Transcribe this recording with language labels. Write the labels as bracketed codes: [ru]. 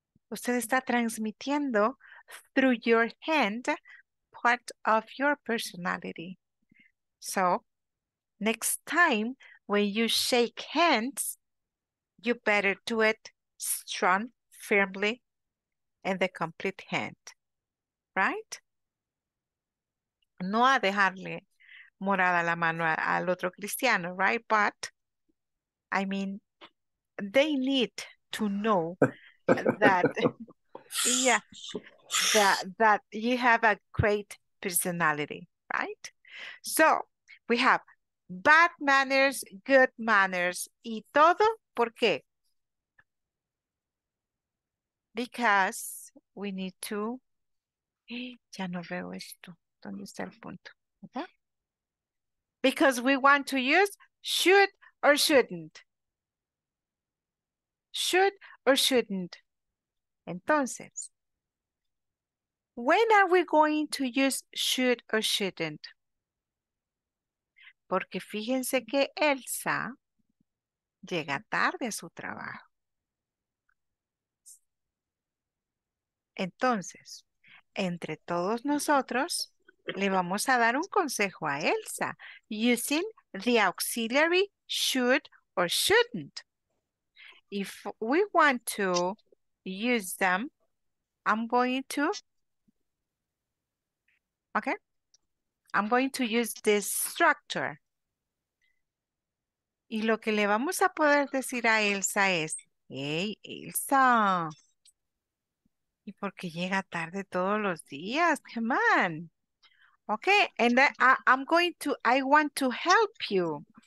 [es] Usted está transmitiendo [en] through your hand part of your personality. So, next time when you shake hands, you better do it strong, firmly, and the complete hand. Right? [es] No a dejarle morada la mano al otro cristiano, [en] right? But, I mean, they need to know that you have a great personality, right? So we have bad manners, good manners, [es] y todo, ¿por qué? [en] Because we need to, [es] ya no veo esto, ¿dónde está el punto? Okay? [en] Because we want to use should or shouldn't. Should or shouldn't. [es] Entonces, [en] when are we going to use should or shouldn't? [es] Porque fíjense que Elsa llega tarde a su trabajo. Entonces, entre todos nosotros, le vamos a dar un consejo a Elsa [en] using the auxiliary should or shouldn't. If we want to use them, I'm going to Okay. I'm going to use this structure. [es] Y lo que le vamos a poder decir a Elsa es, hey, Elsa, ¿y por qué llega tarde todos los días? [en] Come on. Okay, and then I want to help you.